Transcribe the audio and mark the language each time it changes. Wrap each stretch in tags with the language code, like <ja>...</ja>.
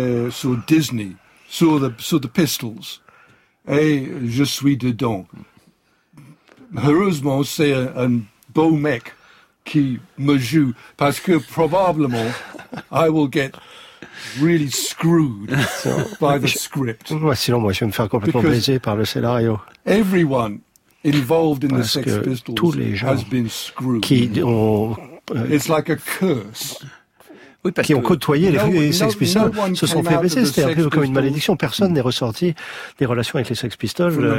<fr>Sur Disney, sur the Pistols. Et je suis dedans. Heureusement, c'est un beau mec qui me joue, parce que probablement, I will get really screwed by the script. Sinon, moi, je vais me faire complètement baiser par le scénario.</fr> <en>Everyone involved in the Sex Pistols has been screwed. It's like a curse.</en> <fr>Oui, qui ont côtoyé les Sex Pistols se sont fait baisser. C'était un peu comme une malédiction. Personne n'est ressorti des relations avec les Sex Pistols</fr>